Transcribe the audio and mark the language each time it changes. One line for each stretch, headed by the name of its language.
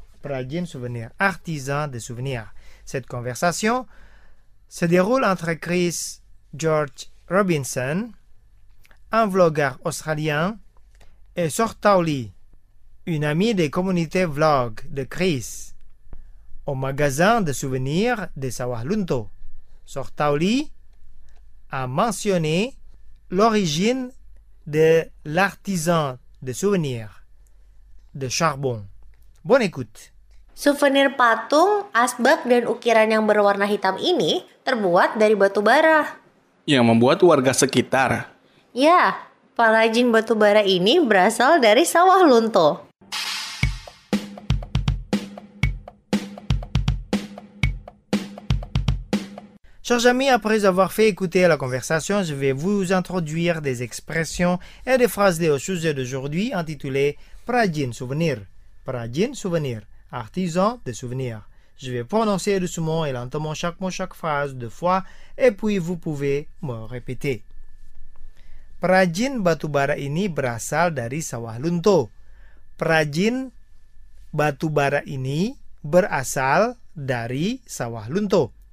French: Prajin Souvenir, artisan de souvenirs. Cette conversation se déroule entre Chris George Robinson, un vlogueur australien, et Sortauli, une amie des communautés vlog de Chris, au magasin de souvenirs de Sawahlunto. Sortauli a mentionné l'origine de l'artisan de souvenirs de charbon. Bonne écoute.
Indonesian: Souvenir patung, asbak dan ukiran yang berwarna hitam ini terbuat dari batu bara. Yang membuat warga sekitar. Ya, perajin batu bara ini berasal dari Sawahlunto.
French: Chers amis, après avoir fait écouter la conversation, je vais vous introduire des expressions et des phrases liées au sujet d'aujourd'hui intitulées Prajin Souvenir. Prajin Souvenir, artisan de souvenirs. Je vais prononcer doucement et lentement chaque mot, chaque phrase deux fois et puis vous pouvez me répéter.
Indonesian: Prajin batubara ini berasal dari Sawahlunto. Prajin batubara ini berasal dari Sawahlunto.